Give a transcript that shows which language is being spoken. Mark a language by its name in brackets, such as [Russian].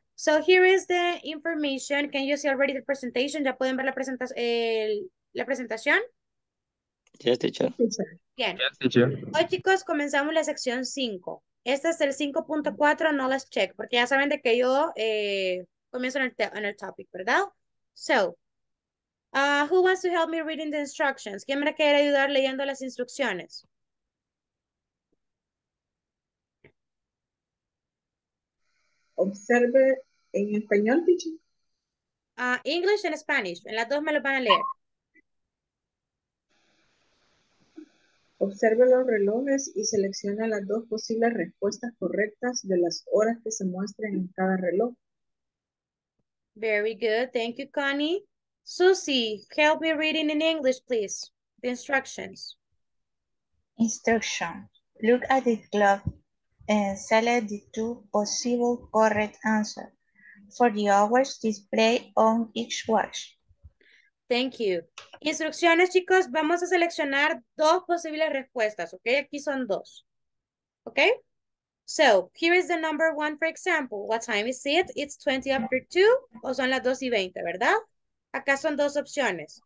[English] So here is the information. Can you see already the presentation? [Spanish] ¿Ya pueden ver la presentación? ¿La presentación? [English] Yes, teacher. [Spanish] Bien. [English] Yes, teacher. [Spanish] Hoy, chicos, comenzamos la sección 5. Este es el 5.4, no las check, porque ya saben de que yo comienzo en el topic, ¿verdad? [English] So, who wants to help me reading the instructions? [Spanish] ¿Quién me quiere ayudar leyendo las instrucciones? Observe en español, teacher. [English] English and Spanish. [Spanish] En las dos me lo van a leer. Observe los relojes y seleccione las dos posibles respuestas correctas de las horas que se muestren en cada reloj. [English] Very good. Thank you, Connie. Susie, help me reading in English, please. The instructions. Instruction. Look at the clock and select the two possible correct answers for the hours displayed on each watch. Thank you. [Spanish] Instrucciones, chicos, vamos a seleccionar dos posibles respuestas, ¿ok? Aquí son dos, ¿ok? [English] So, here is the number one, for example. What time is it? It's 20 after 2, [Spanish] o son las 2 y 20, ¿verdad? Acá son dos opciones.